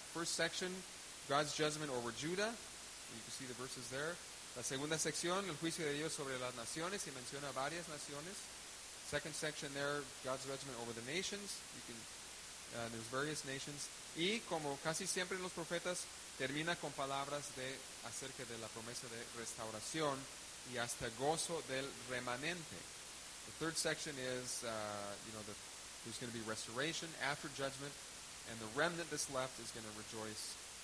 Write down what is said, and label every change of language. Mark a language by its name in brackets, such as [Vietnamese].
[English] First section, God's judgment over Judah. You can see the verses there. [Spanish] La segunda sección, el juicio de Dios sobre las naciones, y menciona varias naciones. [English] Second section there, God's judgment over the nations. There's various nations. [Spanish] Y como casi siempre en los profetas, termina con palabras acerca de la promesa de restauración y hasta gozo del remanente. [English] The third section is, there's going to be restoration after judgment, and the remnant that's left is going to rejoice.